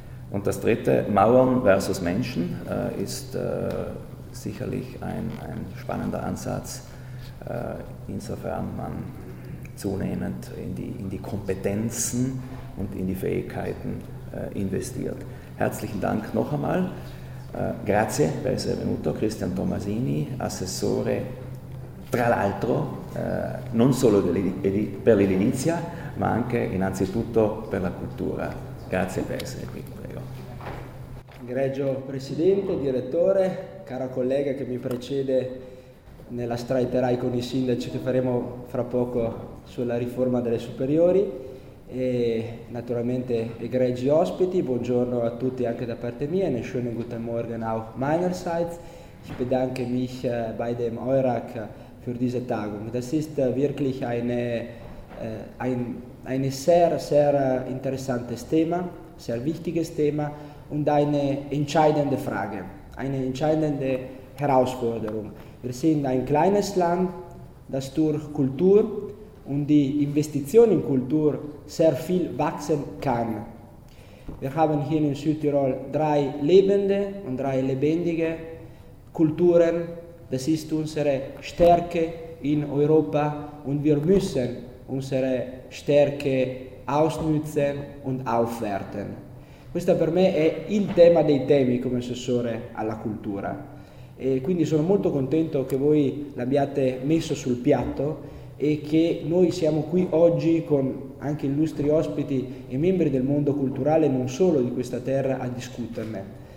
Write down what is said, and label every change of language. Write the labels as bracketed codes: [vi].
[de] Und das dritte, Mauern versus Menschen, ist sicherlich ein spannender Ansatz, insofern man zunehmend in die Kompetenzen und in die Fähigkeiten investiert. Herzlichen Dank noch einmal. [it] Grazie, bei Servemuto, Christian Tomasini, Assessore tra l'altro non solo per l'edilizia, ma anche innanzitutto per la cultura. Grazie per essere qui, prego. Egregio Presidente, Direttore, cara collega che mi precede nella straiterai con i sindaci che faremo fra poco sulla riforma delle superiori, e naturalmente egregi ospiti, buongiorno a tutti anche da parte mia, [de] ne schönen guten Morgen auch meinerseits. Ich bedanke mich bei dem Eurac für diese Tagung. Das ist wirklich ein sehr, sehr interessantes Thema, sehr wichtiges Thema und eine entscheidende Frage, eine entscheidende Herausforderung. Wir sind ein kleines Land, das durch Kultur und die Investition in Kultur sehr viel wachsen kann. Wir haben hier in Südtirol drei lebende und drei lebendige Kulturen. Das ist unsere Stärke in Europa und wir müssen unsere Stärke ausnutzen und aufwerten. [it] Questo per me è il tema dei temi come assessore alla cultura. E quindi sono molto contento che voi l'abbiate messo sul piatto e che noi siamo qui oggi con anche illustri ospiti e membri del mondo culturale, non solo di questa terra, a discuterne.